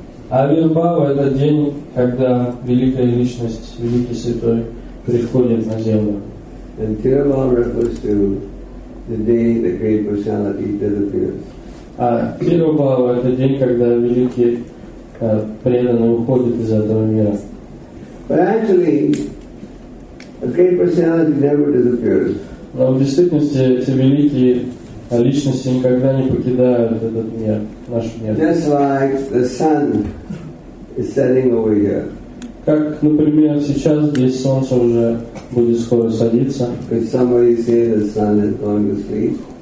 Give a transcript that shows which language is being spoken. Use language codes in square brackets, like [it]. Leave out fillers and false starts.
[ru] Авирбава — это день, когда великая личность, великий святой приходит на землю. [en] And Tirubhava refers to the day the great personality disappears. [ru] А Тирубхава — это день, когда великий преданный уходит из этого мира. [en] But actually, a great personality never disappears. [ru] Но в действительности эти великие личности никогда не покидают этот мир, наш мир. [en] Just like the sun is setting over here. [ru] Как, например, сейчас здесь солнце уже будет скоро садиться. [en] Could somebody say the sun is going to sleep?